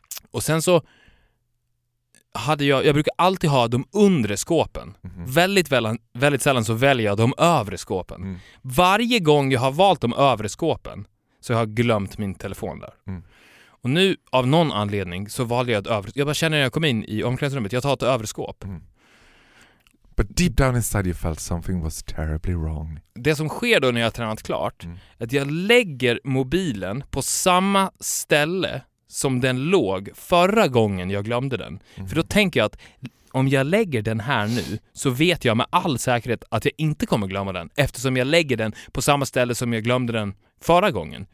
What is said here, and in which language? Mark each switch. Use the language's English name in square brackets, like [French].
[Swedish] Och sen så hade jag brukar alltid ha de undre skåpen. Mm-hmm. Väldigt, väldigt sällan så väljer jag de övre skåpen. Mm. Varje gång jag har valt de övre skåpen så jag har jag glömt min telefon där. Mm. Och nu av någon anledning så valde jag ett övre skåp. Jag bara känner när jag kom in i omklädningsrummet, jag tar ett övre skåp. Mm. [English] But deep down inside you felt something was terribly wrong. [Swedish] Det som sker då när jag har tränat klart är att jag lägger mobilen på samma ställe som den låg förra gången jag glömde den. Mm. För då tänker jag att om jag lägger den här nu så vet jag med all säkerhet att jag inte kommer glömma den. Eftersom jag lägger den på samma ställe som jag glömde den förra gången.